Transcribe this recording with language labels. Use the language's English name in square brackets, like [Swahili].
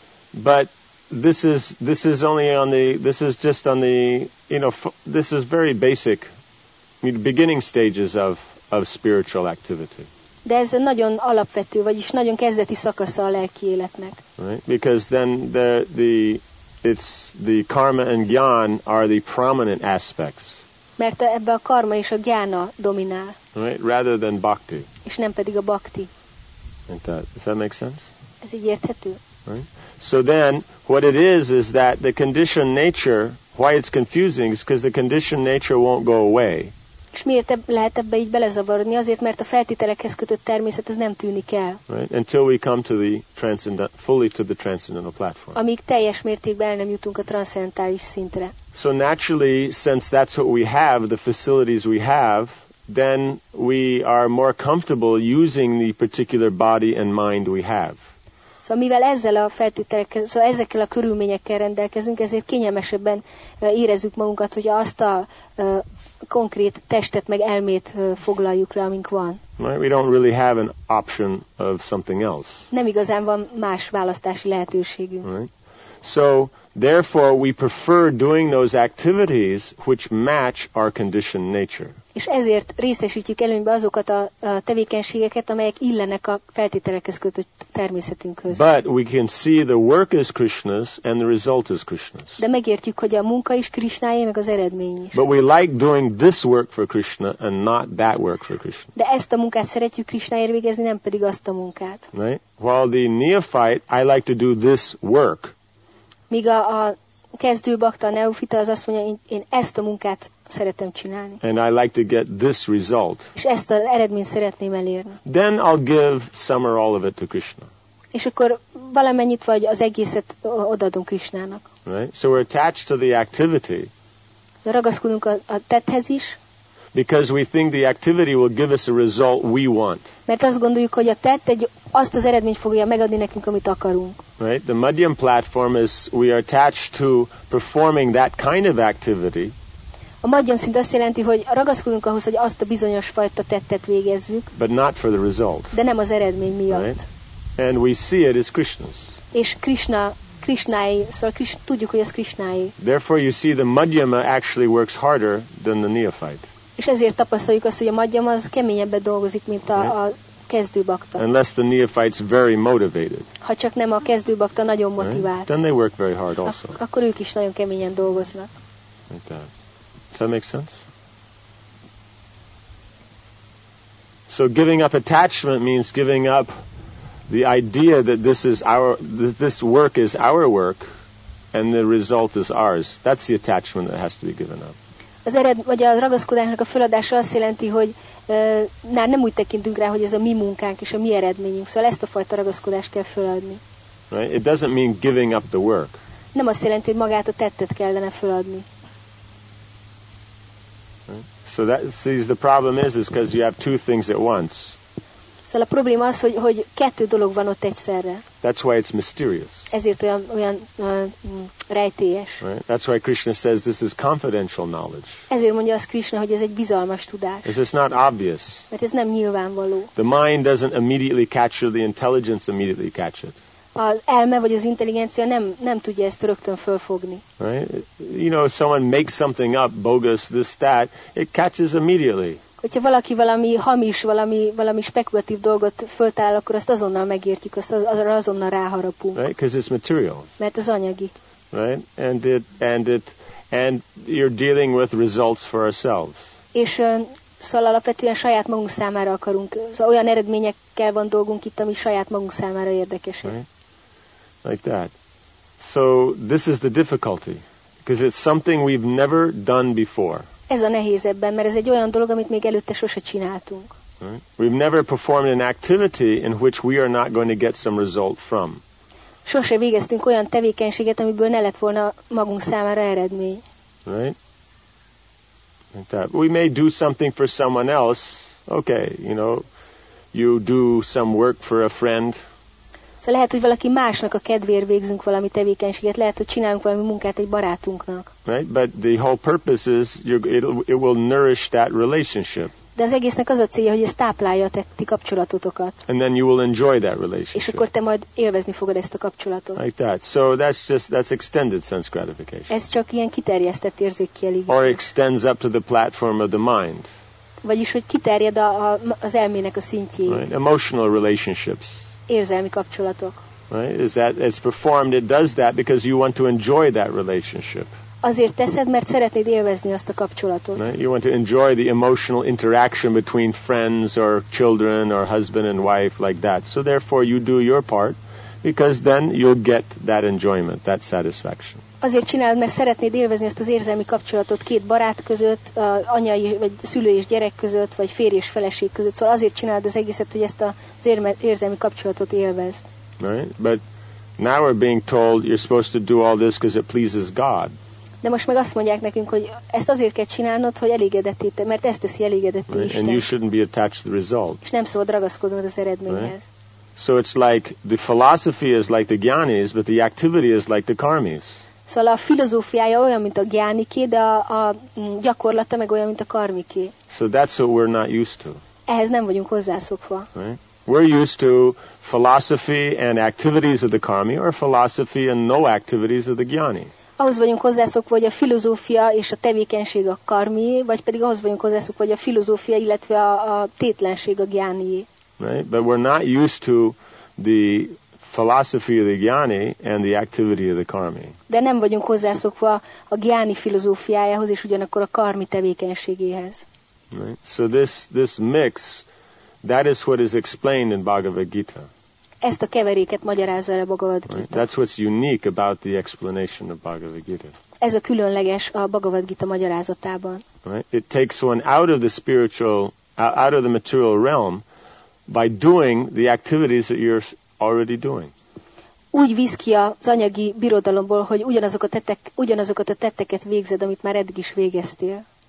[English] But this is only on the, this is just on the, you know, this is very basic, beginning stages of spiritual activity. [Hungarian] De ez nagyon alapvető, vagyis nagyon kezdeti szakasza a lelki életnek. [English] Right? Because then the karma and jnana are the prominent aspects. [Hungarian] Mert ebbe a karma és a jnana dominál. [English] Right? Rather than bhakti. [Hungarian] És nem pedig a bhakti. [English] Does that make sense? [Hungarian] Ez így érthető. [English] Right? So then, what it is that the conditioned nature, why it's confusing, is because the conditioned nature won't go away. [Hungarian] És miért lehet ebbe így belezavarodni? Azért, mert a feltételekhez kötött természet, ez nem tűnik el. [English] Right? Until we come to the transcendent, fully to the transcendental platform. [Hungarian] Amíg teljes mértékben el nem jutunk a transzcendentális szintre. [English] So naturally, since that's what we have, the facilities we have, then we are more comfortable using the particular body and mind we have. [Hungarian] Szóval mivel ezzel a feltételekkel, szóval ezekkel a körülményekkel rendelkezünk, ezért kényelmesebben érezzük magunkat, hogy azt a konkrét testet meg elmét foglaljuk le, amink van. [English] Right? We don't really have an option of something else. [Hungarian] Nem igazán van más választási lehetőségünk. [English] Right? So therefore we prefer doing those activities which match our conditioned nature. [Hungarian] És ezért részesítjük előnybe azokat a tevékenységeket, amelyek illenek a feltételekhez kötött természetünkhöz. [English] But we can see the work is Krishna's and the result is Krishna's. [Hungarian] De megértjük, hogy a munka is Krishnáé, meg az eredmény is. [English] But we like doing this work for Krishna and not that work for Krishna. [Hungarian] De ezt a munkát szeretjük Krishnáért végezni, nem pedig azt a munkát. [English] Right? While the neophyte, I like to do this work. [Hungarian] Míg a kezdő bakta, a neofita az azt mondja, én ezt a munkát szeretem csinálni. [English] And I like to get this result. [Hungarian] És ezt az eredményt szeretném elérni. [English] Then I'll give some or all of it to Krishna. [Hungarian] És akkor valamennyit vagy az egészet odaadom Krishnának. [English] Right? So we're attached to the activity. [Hungarian] Ragaszkodunk a tetthez is. [English] Because we think the activity will give us a result we want. [Hungarian] Mert azt gondoljuk, hogy a tett egy azt az eredményt fogja megadni nekünk, amit akarunk. [English] Right? The medium platform is we are attached to performing that kind of activity. [Hungarian] A medium szint azt jelenti, hogy ragaszkodunk ahhoz, hogy azt a bizonyos fajta tettet végezzük. [English] But not for the result. [Hungarian] De nem az eredmény miatt. [English] Right? And we see it as Krishna's. [Hungarian] És Krishna Krishnai, szóval Krishna, tudjuk, hogy ez Krishnai. [English] Therefore you see the madhyama actually works harder than the neophyte. [Hungarian] És ezért tapasztaljuk azt, hogy a madhyama az keményebben dolgozik, mint a kezdő bakta. [English] Unless the neophyte's very motivated. [Hungarian] Ha csak nem a kezdő bakta nagyon motivált. [English] Right? Then they work very hard also. [Hungarian] Akkor ők is nagyon keményen dolgoznak. [English] Like that. Does that make sense? So giving up attachment means giving up the idea that this is our this work is our work and the result is ours. That's the attachment that has to be given up. [Hungarian] Az ered, vagy a ragaszkodásnak a feladása azt jelenti, hogy már nem úgy tekintünk rá, hogy ez a mi munkánk és a mi eredményünk. Szóval ezt a fajta ragaszkodást kell feladni. [English] Right? It doesn't mean giving up the work. [Hungarian] Nem azt jelenti, hogy magát a tettet kellene feladni. [English] Right? So that sees the problem is because you have two things at once. [Hungarian] Szóval a probléma az, hogy kettő dolog van ott egyszerre. [English] That's why it's mysterious. [Hungarian] Ezért olyan rejtélyes. [English] Right? That's why Krishna says this is confidential knowledge. [Hungarian] Ezért mondja azt Krishna, hogy ez egy bizalmas tudás. [English] Because it's not obvious. [Hungarian] Mert ez nem nyilvánvaló. [English] The mind doesn't immediately catch it, the intelligence immediately catch it. [Hungarian] Az elme vagy az intelligencia nem tudja ezt rögtön fölfogni. [English] Right? You know, if someone makes something up, bogus, this, that, it catches immediately. [Hungarian] Hogyha valaki valami hamis, valami spekulatív dolgot föltalál, akkor azt azonnal megértjük, azt azonnal ráharapunk. [English] Right, because it's material. [Hungarian] Mert az anyagi. [English] Right, and you're dealing with results for ourselves. [Hungarian] És szóval alapvetően saját magunk számára akarunk, szóval olyan eredményekkel van dolgunk itt, ami saját magunk számára érdekes. [English] Right, like that. So this is the difficulty, because it's something we've never done before. [Hungarian] Ez a nehéz ebben, mert ez egy olyan dolog, amit még előtte sose csináltunk. [English] Right. We've never performed an activity in which we are not going to get some result from. [Hungarian] Sose végeztünk olyan tevékenységet, amiből ne lett volna magunk számára eredmény. [English] Right? That. We may do something for someone else. Okay, you know, you do some work for a friend. [Hungarian] Szóval lehet, hogy valaki másnak a kedvéért végzünk valami tevékenységet, lehet, hogy csinálunk valami munkát egy barátunknak. [English] Right, but the whole purpose is it will nourish that relationship. [Hungarian] De az egésznek az a célja, hogy ez táplálja a ti kapcsolatotokat. [English] And then you will enjoy that relationship. [Hungarian] És akkor te majd élvezni fogod ezt a kapcsolatot. [English] Like that. So that's extended sense gratification. [Hungarian] Ez csak ilyen kiterjesztett érzékkielégítés. [English] Or extends up to the platform of the mind. [Hungarian] Vagyis hogy kiterjed az elmének a szintjéig. [English] Right. Emotional relationships. [Hungarian] Érzelmi kapcsolatok. [English] Right? Is that it's performed? It does that because you want to enjoy that relationship. [Hungarian] Azért teszed, mert szeretnéd élvezni azt a kapcsolatot. [English] Right? You want to enjoy the emotional interaction between friends or children or husband and wife like that. So therefore, you do your part because then you'll get that enjoyment, that satisfaction. [Hungarian] Azért csinálod, mert szeretnéd élvezni ezt az érzelmi kapcsolatot két barát között, anyai vagy szülő és gyerek között, vagy férj és feleség között. Szóval azért csinálod az egészet, hogy ezt az érzelmi kapcsolatot élvezd. [English] Right? But now we're being told you're supposed to do all this because it pleases God. [Hungarian] De most meg azt mondják nekünk, hogy ezt azért kell csinálnod, hogy elégedetté, mert ezt teszi elégedetté Isten. [English] And you shouldn't be attached to the result. [Hungarian] És nem szabad ragaszkodnod az eredményhez. [English] So it's like the philosophy is like the gyanis, but the activity is like the karmis. [Hungarian] Szóval a filozófiája olyan, mint a gyániké, de a gyakorlata meg olyan, mint a karmiké. [English] So that's what we're not used to. [Hungarian] Ehhez nem vagyunk hozzászokva. [English] Right? We're used to philosophy and activities of the karmi, or philosophy and no activities of the gyani. [Hungarian] Ahhoz vagyunk hozzászokva, hogy a filozófia és a tevékenység a karmi, vagy pedig ahhoz vagyunk hozzászokva, hogy a filozófia, illetve a tétlenség a gyáni. [English] Right? But we're not used to the philosophy of the gyani and the activity of the karmi. [Hungarian] De nem vagyunk hozzászokva a gyáni filozófiájához és ugyanakkor a karmi tevékenységéhez. [English] Right. So this mix, that is what is explained in Bhagavad Gita. [Hungarian] Ezt a keveréket magyarázza el a Bhagavad Gita. [English] Right. That's what's unique about the explanation of Bhagavad Gita. [Hungarian] Ez a különleges a Bhagavad Gita magyarázatában. [English] Right. It takes one out of the spiritual, out of the material realm by doing the activities that you're already doing. [Hungarian] Úgy visz ki az anyagi birodalomból, hogy ugyanazokat a tetteket végzed, amit már eddig is végeztél.